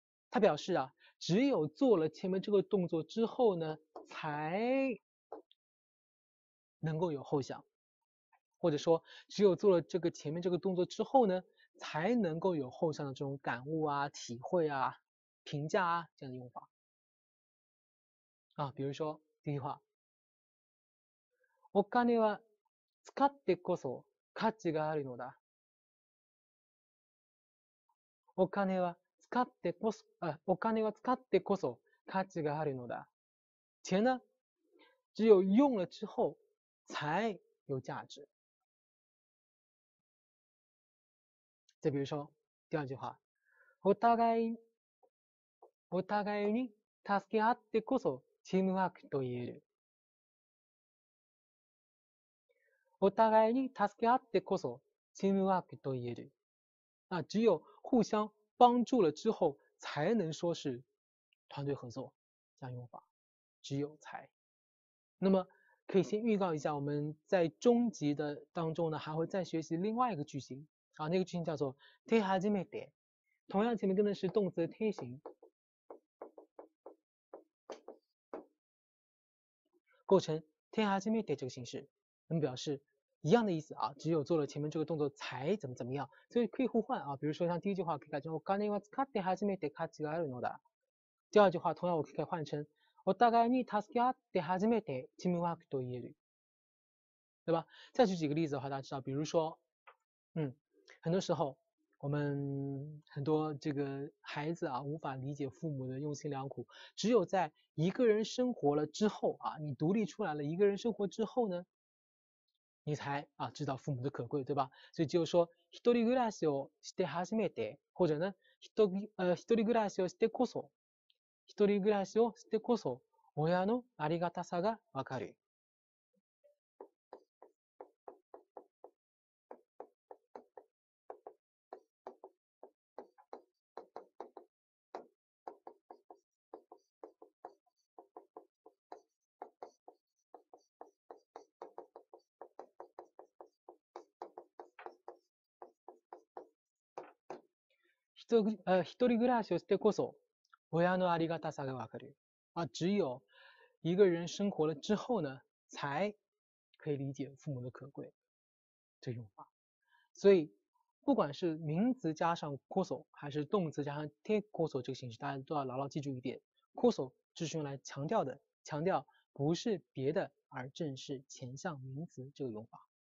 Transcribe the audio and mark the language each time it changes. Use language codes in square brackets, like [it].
[zh] 它表示啊，只有做了前面这个动作之后呢，才能够有后想，或者说只有做了这个前面这个动作之后呢，才能够有后向的这种感悟啊、体会啊、评价啊这样的用法啊。比如说第一句话， [ja] お金は使ってこそ価値があるのだ。お金は使ってこそ、お金は使ってこそ価値があるのだ。 [zh] 钱呢，只有用了之后才有价值。再比如说第二句话， [ja] お互いに助け合ってこそチームワークと言える。お互いに助け合ってこそチームワークと言える。 [zh] 啊，只有互相帮助了之后，才能说是团队合作。这样用法，只有才。那么可以先预告一下，我们在中级的当中呢，还会再学习另外一个句型。啊，那个句型叫做推哈基梅德，同样前面跟的是动词的推形，构成推哈基梅德这个形式，那么表示一样的意思啊，只有做了前面这个动作才怎么怎么样，所以可以互换啊。比如说像第一句话可以改成 [ja] お金は使って初めて価値があるのだ。 [zh] 第二句话同样我可以换成 [ja] お互いに助け合って初めてチームワークと言える， [zh] 对吧？再举几个例子的话，大家知道，比如说，很多时候我们很多这个孩子啊无法理解父母的用心良苦，只有在一个人生活了之后啊，你独立出来了，一个人生活之后呢，你才啊知道父母的可贵，对吧？所以就说 [ja] 一人暮らしをして初めて， [zh] 或者呢 [ja] 一人暮らしをしてこそ，一人暮らしをしてこそ親のありがたさがわかる。一人暮らしをしてこそ親のありがたさがわかる。 [zh] 啊，只有一个人生活了之后呢，才可以理解父母的可贵。这用法，所以不管是名词加上こそ，还是动词加上てこそ这个形式，大家都要牢牢记住一点：こそ就是用来强调的，强调不是别的，而正是前向名词这个用法。